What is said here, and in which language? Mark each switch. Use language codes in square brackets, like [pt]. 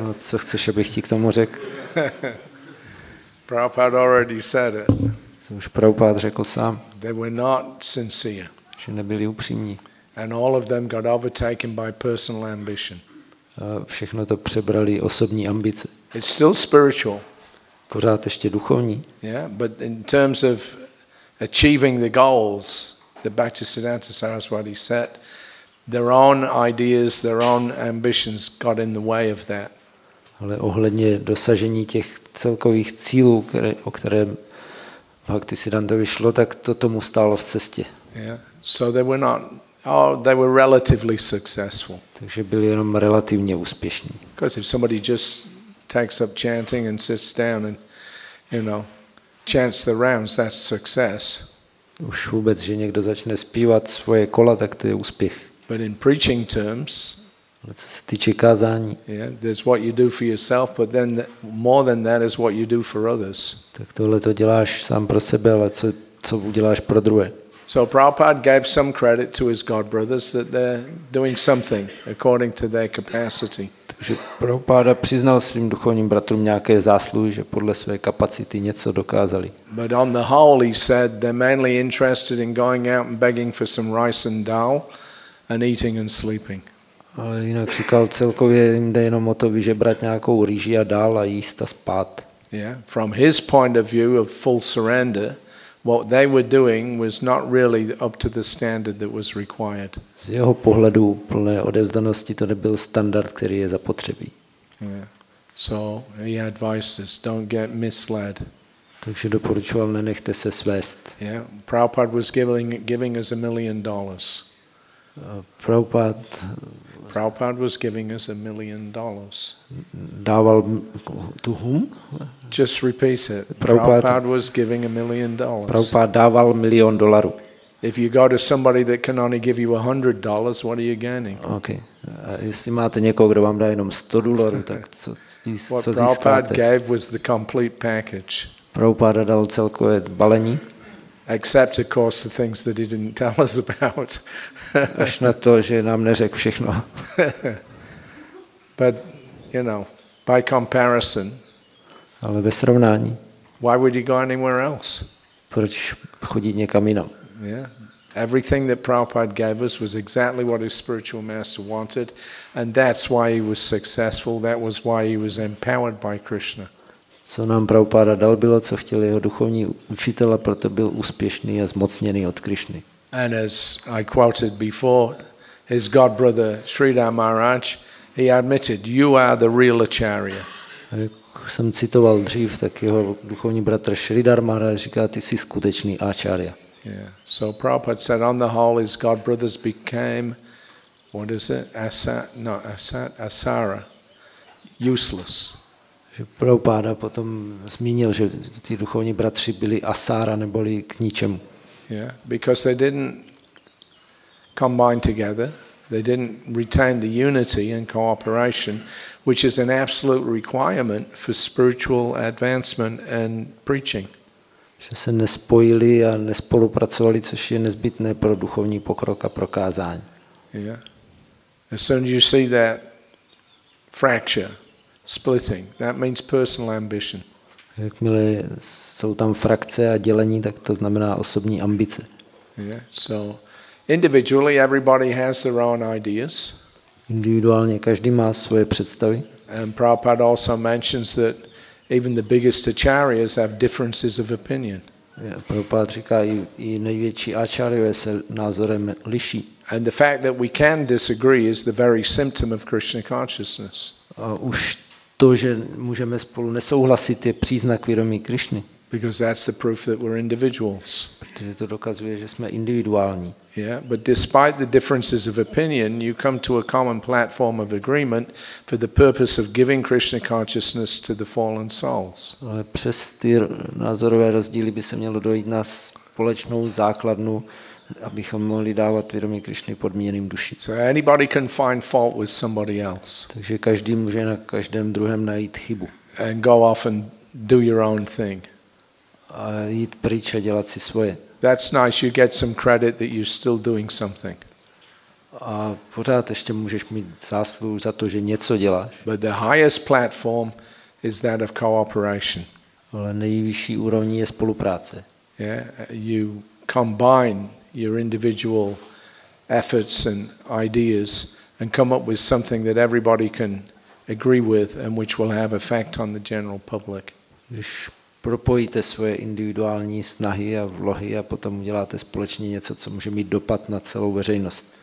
[cs] No, co chceš, abych ti k tomu řekl? [en] Prabhupada already said it. [cs] To už Prabhupada řekl sám. [en] They were not sincere. [cs] Že nebyli upřímní. [en] And all of them got overtaken by personal ambition. [cs] Všechno to přebrali osobní ambice. [en] It's still spiritual. [cs] Pořád ještě duchovní. [en] Yeah, but in terms of achieving the goals that Bhaktisiddhanta Saraswati set, their own ideas, their own ambitions got in the way of that. [cs] Ale ohledně dosažení těch celkových cílů, o které Bhaktisiddhanta vyšlo, tak to tomu stálo v cestě. [en] Yeah. So they were relatively successful. [cs] Takže byli jenom relativně úspěšní. [en] Because if somebody just takes up chanting and sits down and, you know, chants the rounds, that's success. [cs] Už vůbec, že někdo začne zpívat svoje kola, tak to je úspěch. [en] But in preaching terms, [cs] Ale co se týče kázání. [en] Yeah, there's what you do for yourself, but then more than that is what you do for others. [cs] Tak tohle to děláš sám pro sebe, ale co uděláš pro druhé? [en] So Prabhupada gave some credit to his godbrothers that they're doing something according to their capacity. [cs] Takže Prabhupada přiznal svým duchovním bratrům nějaké zásluhy, že podle své kapacity něco dokázali. [en] But on the whole, he said, they're mainly interested in going out and begging for some rice and dal and eating and sleeping. [cs] Ale jinak říkal, celkově jim jde jenom o to vyžebrat nějakou rýži a dal a jíst a spát. [en] Yeah, from his point of view of full surrender, what they were doing was not really up to the standard that was required. [cs] Z jeho pohledu plné odevzdanosti to nebyl standard, který je zapotřebí. [en] So he advises, don't get misled. [cs] Takže doporučoval, nenechte se svést. [en] Yeah, Prabhupada was giving us $1,000,000. Prabhupada was giving us $1,000,000. [cs] Dával [en] to whom? Just repeat it. Prabhupada was giving $1,000,000. [cs] Prabhupada dával milion dolarů. [en] If you go to somebody that can only give you $100, what are you gaining? Okay. [cs] A jestli máte někoho, kdo vám dá jenom $100, tak co získáte? [en] What Prabhupada gave was the complete package. [cs] Prabhupada dal celkové balení. [en] Except of course the things that he didn't tell us about. [cs] Až na to, že nám neřek všechno. [en] But you know, by comparison. [cs] Ale ve srovnání. [en] Why would he go anywhere else? [cs] Proč chodit někam jinam? [en] Yeah. Everything that Prabhupada gave us was exactly what his spiritual master wanted, and that's why he was successful. That was why he was empowered by Krishna. [cs] Co nám Prabhupada dal, bylo, co chtěl jeho duchovní učitel, a proto byl úspěšný a zmocněný od Krišny. [en] And as I quoted before, his godbrother Sridhar Maharaj, he admitted, you are the real acharya. [cs] Jak jsem citoval dřív, tak jeho duchovní bratr Sridhar Maharaj říká, ty jsi skutečný acharya. [en] Yeah. So Prabhupada said, on the whole, his godbrothers became, what is it, asara, useless. [cs] Že Prabhupada potom zmínil, že ti duchovní bratři byli asára, neboli k ničemu. [en] Yeah, because they didn't combine together, they didn't retain the unity and cooperation, which is an absolute requirement for spiritual advancement and preaching. [cs] Že se nespojili a nespolupracovali, což je nezbytné pro duchovní pokrok a prokázání. [en] Yeah. As soon as you see that fracture, splitting, that means personal ambition. [cs] Jakmile jsou tam frakce a dělení, tak to znamená osobní ambice. [en] Yeah. So individually everybody has their own ideas. [cs] Individuálně každý má svoje představy. [en] And Prabhupada also mentions that even the biggest acharyas have differences of opinion. [cs] Yeah, Prabhupada říká, i největší acharyové se názorem liší. [en] And the fact that we can disagree is the very symptom of Krishna consciousness. [cs] A už to, že můžeme spolu nesouhlasit, je příznak vědomí Krišny. [en] Because that's the proof that we're individuals. [cs] Protože to dokazuje, že jsme individuální. [en] Yeah, but despite the differences of opinion, you come to a common platform of agreement for the purpose of giving Krishna consciousness to the fallen souls. [cs] Ale přes ty názorové rozdíly by se mělo dojít na společnou základnu, abychom mohli dávat vědomí Krišny podmíněným duši. [en] So anybody can find fault with somebody else. [cs] Takže každý může na každém druhém najít chybu. [en] And go off and do your own thing. [cs] A jít pryč a dělat si svoje. [en] That's nice, you get some credit that you're still doing something. [cs] A pořád ještě můžeš mít zásluhu za to, že něco děláš. [en] But the highest platform is that of cooperation. [cs] Ale nejvyšší úrovní je spolupráce. [en] Yeah, you combine your individual efforts and ideas and come up with something that everybody can agree with and which will have effect on the general public. [cs] Když propojíte svoje individuální snahy a vlohy a potom uděláte společně něco, co může mít dopad na celou veřejnost.